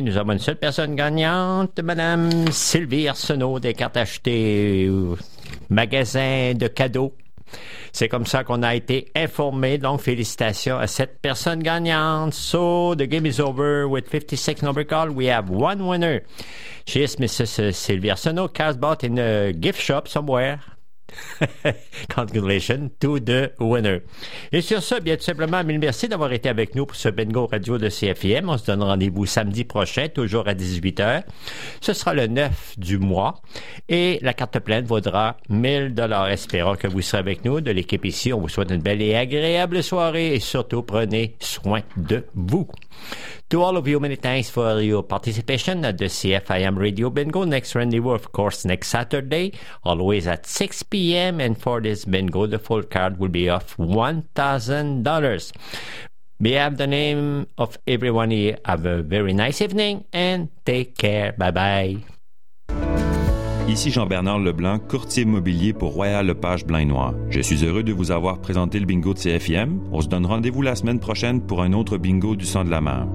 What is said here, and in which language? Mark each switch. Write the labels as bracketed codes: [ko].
[fr] Nous avons une seule personne gagnante, Madame Sylvie Arsenault, des cartes achetées au magasin de cadeaux. C'est comme ça qu'on a été informé. Donc, félicitations à cette personne gagnante. [en] So, the game is over with 56 number call. We have one winner. She is Mrs. Sylvie Arsenault, Castbot in a gift shop somewhere. Congratulations to the winner. [fr] Et sur ce, bien tout simplement, mille merci d'avoir été avec nous pour ce Bingo Radio de CFIM. On se donne rendez-vous samedi prochain, toujours à 18h. Ce sera le 9 du mois. Et la carte pleine vaudra 1000$. Espérons que vous serez avec nous. De l'équipe ici, on vous souhaite une belle et agréable soirée. Et surtout, prenez soin de vous. [en] To all of you, many thanks for your participation at the CFIM Radio Bingo. Next rendezvous, of course, next Saturday, always at 6 p.m. And for this bingo, the full card will be of $1,000. We have the name of everyone here. Have a very nice evening and take care. Bye-bye. [fr] Ici Jean-Bernard Leblanc, courtier immobilier pour Royal Lepage Blainois. Je suis heureux de vous avoir présenté le bingo de CFIM. On se donne rendez-vous la semaine prochaine pour un autre bingo du sang de la mer.